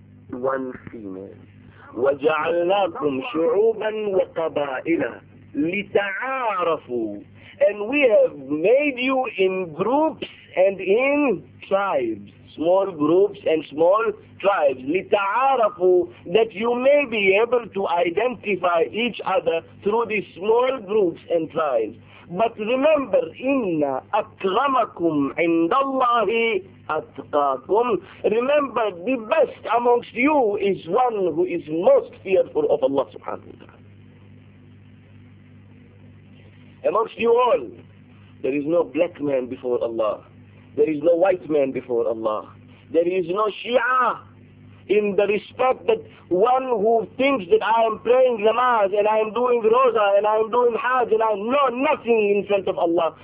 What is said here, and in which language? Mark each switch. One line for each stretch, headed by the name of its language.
English: One female.
Arabic: وَجَعَلْنَاكُمْ شُعُوبًا وَقَبَائِلًا لِتَعَارَفُوا.
English: And we have made you in groups and in tribes. Small groups and small tribes, لِتَعَارَفُوا, that you may be able to identify each other through these small groups and tribes. But remember,
Arabic: إِنَّ أَكْرَمَكُمْ عِنْدَ اللَّهِ أَتْقَاكُمْ.
English: Remember, the best amongst you is one who is most fearful of Allah subhanahu wa ta'ala. Amongst you all, there is no black man before Allah. There is no white man before Allah. There is no Shia in the respect that one who thinks that I am praying namaz and I am doing roza and I am doing hajj and I know nothing in front of Allah.